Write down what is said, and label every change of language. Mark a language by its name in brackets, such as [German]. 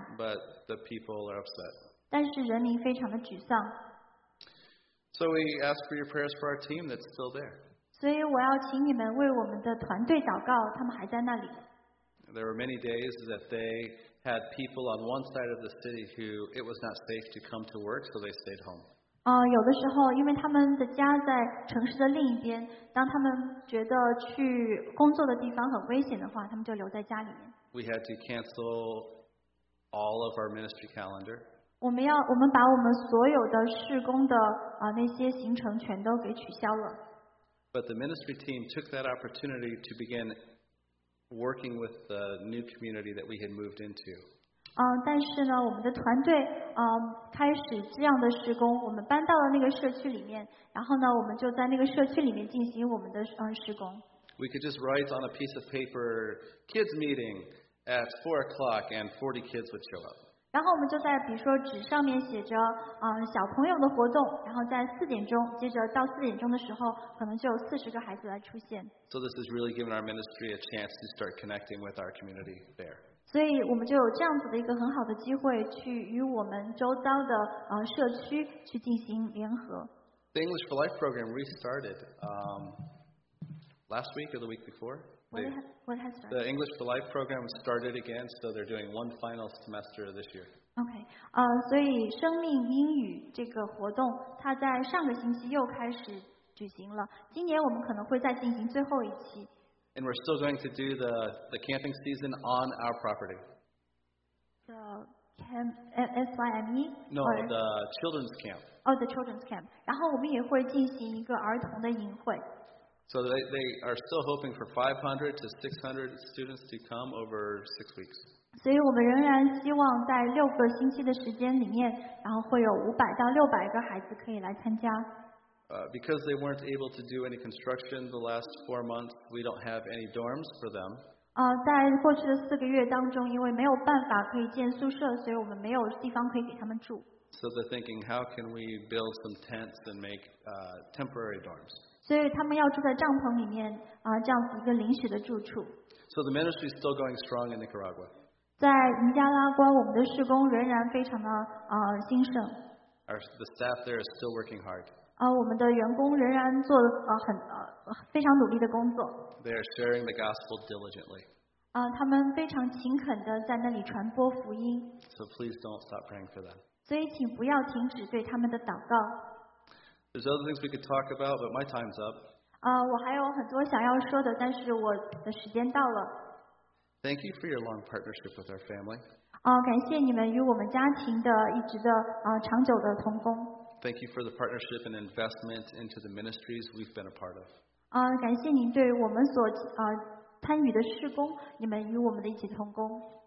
[English] But the people are upset. [Chinese] 但是人民非常的沮丧。 [English] So we ask for your prayers for our team that's still there. [Chinese] 所以我要请你们为我们的团队祷告，他们还在那里。 [English] There were many days that they had people on one side of the city who it was not safe to come to work, so they stayed home. [Chinese] 有的时候，因为他们的家在城市的另一边，当他们觉得去工作的地方很危险的话，他们就留在家里面。 [English] We had to cancel all of our ministry calendar. [Chinese] 我们把我们所有的事工的那些行程全都给取消了。 [English] But the ministry team took that opportunity to begin working with the new community that we had moved into. [Chinese] 但是呢，我们的团队开始这样的施工，我们搬到了那个社区里面，然后呢，我们就在那个社区里面进行我们的施工。 [English] We could just write on a piece of paper, "Kids meeting at 4 o'clock," and 40 kids would show up. [Chinese] 然后我们就在比如说纸上面写着小朋友的活动，然后在四点钟，接着到四点钟的时候，可能就有四十个孩子来出现。 [English] So this is really giving our ministry a chance to start connecting with our community there. [Chinese] 所以我们就有这样子的一个很好的机会去与我们周遭的社区去进行联合。 [English] The English for Life program restarted last week or the week before. What has started? The English for Life program started again, so they're doing one final semester this year. Okay. [Chinese] 所以生命英语这个活动，它在上个星期又开始举行了。今年我们可能会再进行最后一期。 [English] And we're still going to do the camping season on our property. The camp, S-Y-M-E? No, the children's camp. Oh, the children's camp. [Chinese] 然后我们也会进行一个儿童的营会。 [English] So they are still hoping for 500 to 600 students to come over 6 weeks. [Chinese] 所以我们仍然希望在六个星期的时间里面，然后会有500到600个孩子可以来参加。 [English] Because they weren't able to do any construction the last 4 months, we don't have any dorms for them. [Chinese] 在过去的四个月当中，因为没有办法可以建宿舍，所以我们没有地方可以给他们住。 [English] So they're thinking, how can we build some tents and make temporary dorms? [Chinese] 所以他们要住在帐篷里面这样子一个临时的住处。 [English] So the ministry is still going strong in Nicaragua. [Chinese] 在尼加拉瓜，我们的事工仍然非常的兴盛。 [English] The staff there is still working hard. [Chinese] 我们的员工仍然做非常努力的工作。 [English] They are sharing the gospel diligently. [Chinese] 他们非常勤恳的在那里传播福音。 [English] So please don't stop praying for them. [Chinese] 所以请不要停止对他们的祷告。 [English] There's other things we could talk about, but my time's up. [Chinese] 我还有很多想要说的，但是我的时间到了。 [English] Thank you for your long partnership with our family. [Chinese] 感谢你们与我们家庭的一直的长久的同工。 [English] Thank you for the partnership and investment into the ministries we've been a part of. [Chinese] 感谢您对我们所参与的事工，你们与我们的一起同工。